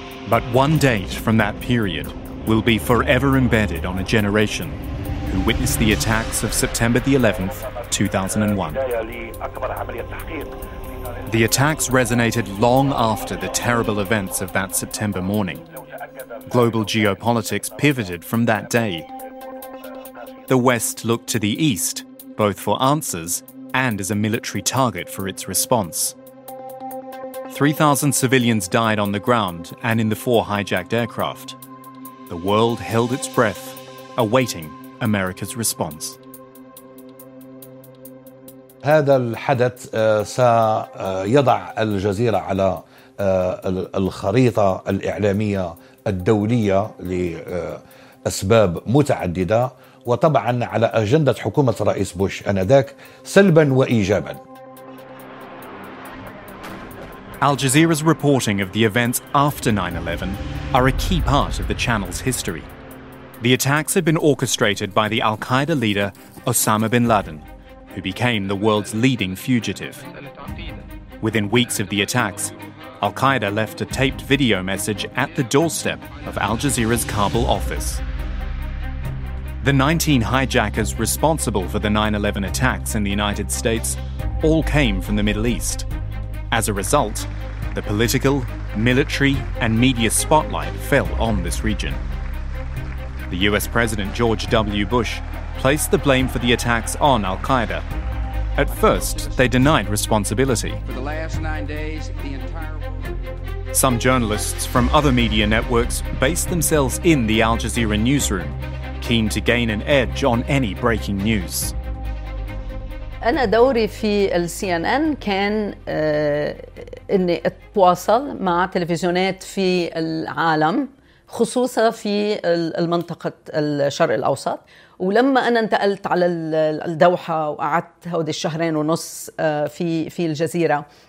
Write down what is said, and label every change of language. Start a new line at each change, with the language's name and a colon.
English: But one date from that period will be forever embedded on a generation who witnessed the attacks of September the 11th, 2001. The attacks resonated long after the terrible events of that September morning. Global geopolitics pivoted from that day. The West looked to the East, both for answers and as a military target for its response. 3,000 civilians died on the ground and in the four hijacked aircraft. The world held its breath, awaiting America's response.
Arabic: هذا الحدث سيضع الجزيرة على الخريطة الإعلامية الدولية لأسباب متعددة وطبعا على أجندة حكومة الرئيس بوش آنذاك سلبا وإيجابا.
English: Al Jazeera's reporting of the events after 9/11 are a key part of the channel's history. The attacks had been orchestrated by the Al-Qaeda leader Osama bin Laden, who became the world's leading fugitive. Within weeks of the attacks, Al-Qaeda left a taped video message at the doorstep of Al Jazeera's Kabul office. The 19 hijackers responsible for the 9/11 attacks in the United States all came from the Middle East. As a result, the political, military, and media spotlight fell on this region. The US President George W. Bush placed the blame for the attacks on Al-Qaeda. At first, they denied responsibility. For the last 9 days, the entire world... Some journalists from other media networks based themselves in the Al Jazeera newsroom, keen to gain an edge on any breaking news.
Arabic: أنا دوري في CNN كان أني أتواصل مع تلفزيونات في العالم خصوصا في المنطقة الشرق الأوسط ولما أنا انتقلت على الدوحة وقعدت هودي الشهرين ونص في الجزيرة